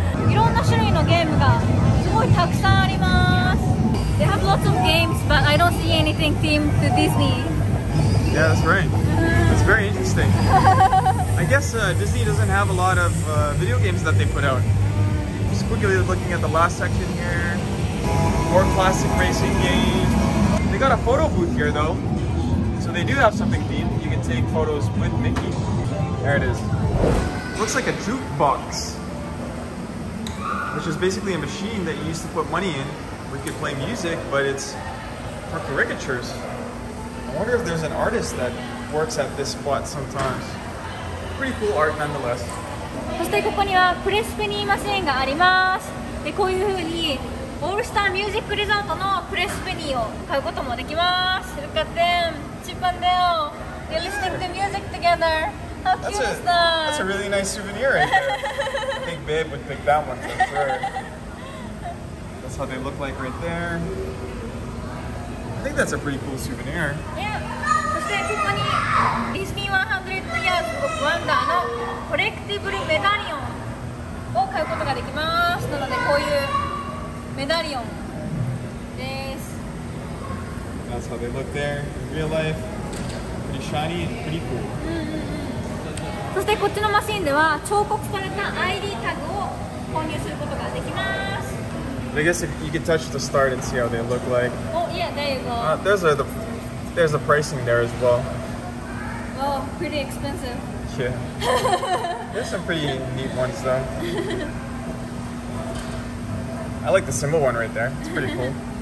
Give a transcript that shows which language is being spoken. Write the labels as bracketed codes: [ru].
[ja] いろんな種類のゲームがすごいたくさんあります。 [en] They have lots of games, but I don't see anything themed to Disney. Yeah, that's right. That's very interesting. I guess Disney doesn't have a lot of video games that they put out. Just quickly looking at the last section here. More classic racing games. They got a photo booth here though. So they do have something themed. You can take photos with Mickey. There it is. Looks like a jukebox. Which is basically a machine that you used to put money in where you could play music, but it's for caricatures. I wonder if there's an artist that works at this spot sometimes. Pretty cool art nonetheless. [ja] そしてここにはプレスフィニーマシンがあります。で、こういうふうにオールスターミュージックリゾートのプレスペニーを買うこともできます。 [en] Look at them, chip and deal. They listen to music together. How cute is that? That's a really nice souvenir right there. I think Babe would pick that one for sure. That's how they look like right there. I think that's a pretty cool souvenir. Yeah. [ja] そしてここにディズニー [en] 100 years of wonder [ja] のコレクティブルメダリオンを買うことができます。なのでこういうメダリオンです。 [en] That's how they look there in real life. Pretty shiny and pretty cool. [ja] そしてこっちのマシンでは彫刻された ID タグを購入することができます。 [en] I guess if you could touch the start and see how they look like. Oh yeah, there you go. There's the pricing there as well. Oh, pretty expensive. Yeah. There's some pretty neat ones though. I like the symbol one right there. It's pretty cool.